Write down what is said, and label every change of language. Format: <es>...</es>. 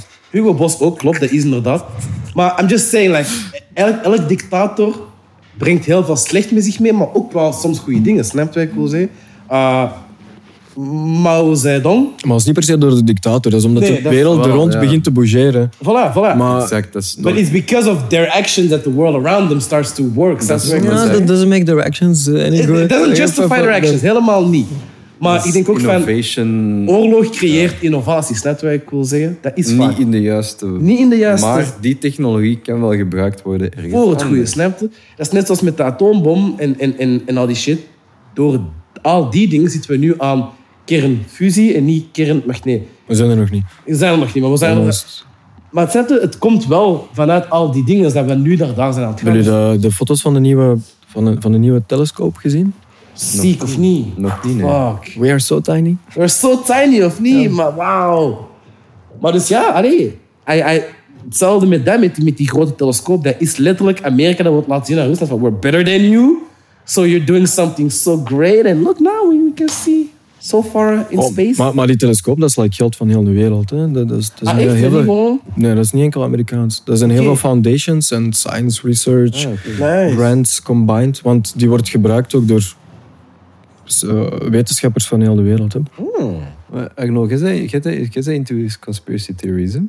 <nl>Hugo Boss ook, klopt, dat is inderdaad. Maar</nl> <en>I'm just saying, like,</en> <nl>elk dictator brengt heel veel slecht met zich mee, maar ook wel soms goede dingen, snap je wat ik wil zeggen? Mao Zedong. Maar dat is niet per se door de dictator, dat is omdat de wereld rond begint te bougeren. Voilà. Maar, exact, dat is door...</nl> <en>But it's because of their actions that the world around them starts to work. That doesn't make their actions any good. It doesn't justify their actions,</en> <nl>helemaal niet. Maar ik denk ook</nl> <en>innovation,</en> <nl>van, oorlog creëert innovaties, net wat ik wil zeggen. Dat is niet in de juiste. Niet in de juiste. Maar die technologie kan wel gebruikt worden. Voor het goede, snap je? Dat is net zoals met de atoombom en al die shit. Door al die dingen zitten we nu aan kernfusie en niet kernmagneet. We zijn er nog niet. We zijn er nog niet, maar we zijn er... Maar het komt wel vanuit al die dingen dat we nu daar zijn aan het gaan. Hebben jullie de foto's van de nieuwe telescoop gezien? Ziek of niet? Nog niet, nee.</nl> <en>We are so tiny. We are so tiny</en> <nl>of niet, maar wauw. Maar dus ja, hetzelfde met dat, met die grote telescoop. Dat is letterlijk Amerika dat wordt laten zien naar Rusland.</nl> <en>We're better than you. So you're doing something so great. And look now, we can see so far in space.</en> <nl>Maar die telescoop, dat is like geld van heel de wereld. Hè. Dat is een heel veel. Nee, dat is niet enkel Amerikaans. Dat zijn heel veel foundations en science research. Grants combined. Want die wordt gebruikt ook door... wetenschappers van heel de wereld. Agno, jij zei into conspiracy theories.</nl>